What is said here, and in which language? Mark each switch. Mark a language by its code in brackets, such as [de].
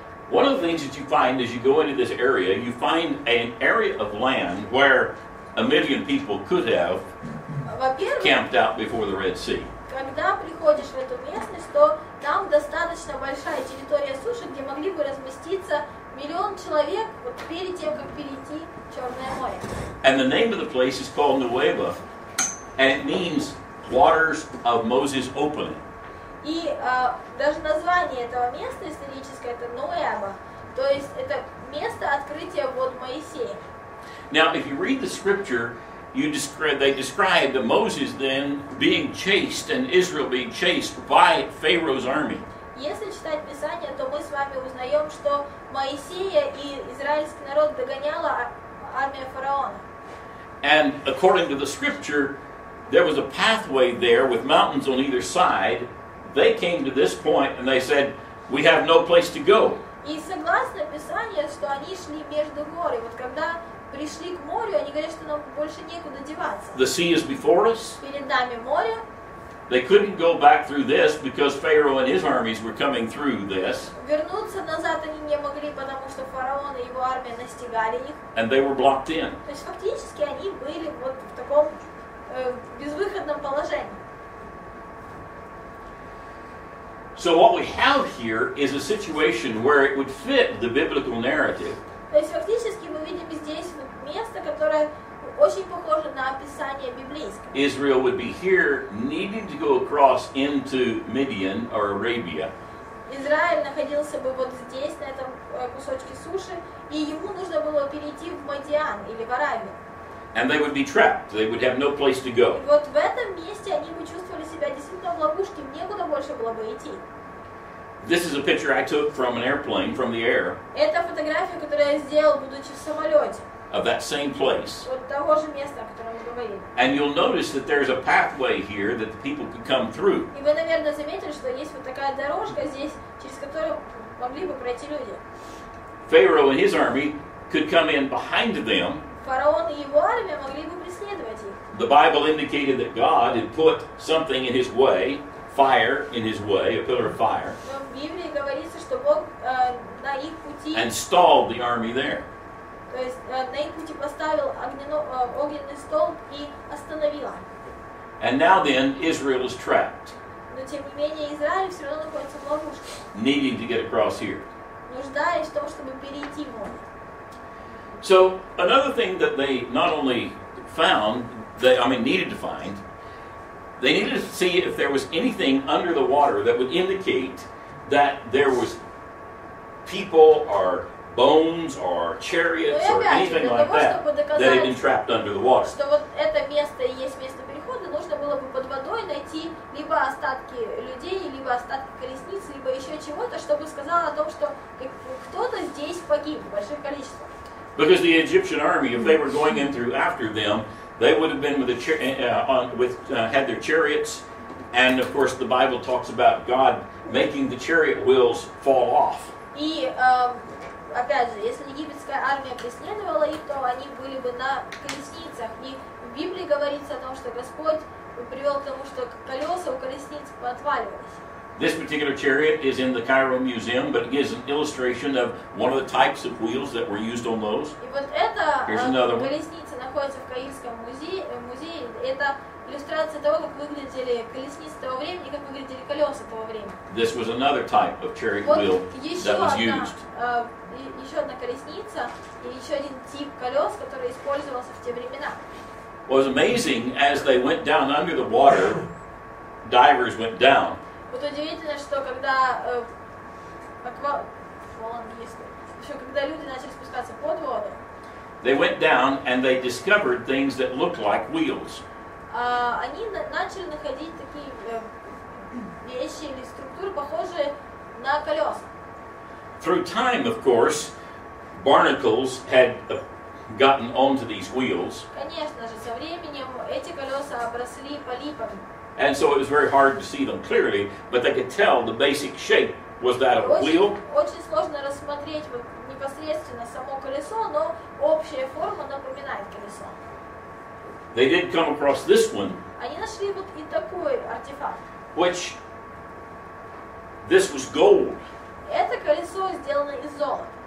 [en] One of the things that you find as you go into this area, you find an area of land where a million people could have camped out before the Red Sea. [ru] Когда приходишь в эту местность, то там достаточно большая территория суши, где могли бы разместиться миллион человек вот перед тем, как перейти Черное море. [en] And the name of the place is called Nueva, and it means waters of Moses opening. [ru] И даже название этого места историческое это Nueva, то есть это место открытия вод Моисея. [en] Now, if you read the scripture, they describe the Moses then being chased and Israel being chased by Pharaoh's army. [ru] Если читать Писание, то мы с вами узнаем, что Моисея и израильский народ догоняла армия фараона. [en] And according to the scripture, there was a pathway there with mountains on either side. They came to this point and they said, we have no place to go. [ru] И согласно Писанию, что они шли между горы. Вот когда пришли к морю, они говорят, что нам больше некуда деваться. [en] The sea is before us. [ru] Перед нами море. [en] They couldn't go back through this because Pharaoh and his armies were coming through this. [ru] Вернуться назад они не могли, потому что фараон и его армия настигали их. [en] And they were blocked in. [ru] То есть фактически они были вот в таком безвыходном положении. [en] So what we have here is a situation where it would fit the biblical narrative. [ru] То есть фактически мы видим здесь вот место, которое очень похоже на описание библейское. [en] Israel would be here needing to go across into Midian or Arabia. [ru] Израиль находился бы вот здесь, на этом кусочке суши, и ему нужно было перейти в Мадиан или в Аравию. [en] And they would be trapped. They would have no place to go. [ru] Вот в этом месте они бы чувствовали себя действительно в ловушке, некуда больше было бы идти. [en] This is a picture I took from an airplane from the air. [ru] Это фотография, которую я сделал, будучи в самолете. [en] Of that same place. [ru] Вот того же места, о котором мы говорили. [en] And you'll notice that there's a pathway here that the people could come through. [ru] И вы, наверное, заметили, что есть вот такая дорожка здесь, через которую могли бы пройти люди. [en] Pharaoh and his army could come in behind them. [ru] Фараон и его армия могли бы преследовать их. [en] The Bible indicated that God had put something in his way, fire in his way, a pillar of fire. [ru] Но в Библии говорится, что Бог на их пути... [en] And stalled the army there. [ru] То есть на их пути поставил огненный столб и остановил. [en] And now then, Israel is trapped. [ru] Но тем не менее, Израиль все равно находится в ловушке. [en] Needing to get across here. [ru] Нуждаясь в том, чтобы перейти в море. [en] So another thing that they not only found, needed to find, they needed to see if there was anything under the water that would indicate that there was people or bones or chariots or anything like that that had been trapped under the water. [ru] Что вот это место и есть место перехода, нужно было бы под водой найти либо остатки людей, либо остатки колесницы, либо еще чего-то, чтобы сказало о том, что кто-то здесь погиб в больших количествах. [en] Because the Egyptian army, if they were going in through after them, they would have been had their chariots, and of course the Bible talks about God making the chariot wheels fall off. [ru] И опять же, если египетская армия преследовала их, то они были бы на колесницах. И в Библии говорится о том, что Господь привел к тому, что колеса у колесниц поотваливались. [en] This particular chariot is in the Cairo Museum, but it gives an illustration of one of the types of wheels that were used on those. [ru] И вот это колесница находится в Каирском музее. Это иллюстрация того, как выглядели колесницы того времени, как выглядели колеса того времени. [en] This was another type of chariot wheel that was used. [ru] Еще одна колесница и еще один тип колес, который использовался в те времена. [en] Was amazing as they went down under the water, divers went down. [ru] Вот удивительно, что когда когда люди начали спускаться под воду, [en] they went down and they discovered things that looked like wheels. [ru] Они начали находить такие вещи или структуры, похожие на колеса. [en] Through time, of course, barnacles had gotten onto these wheels. [ru] Конечно же, со временем эти колеса обросли полипами. [en] And so it was very hard to see them clearly, but they could tell the basic shape was that of a wheel. [ru] Очень сложно рассмотреть вот непосредственно само колесо, но общая форма напоминает колесо. [en] They did come across this one. [ru] Они нашли вот и такой артефакт. [en] Which this was gold. [ru] Это колесо сделано из золота.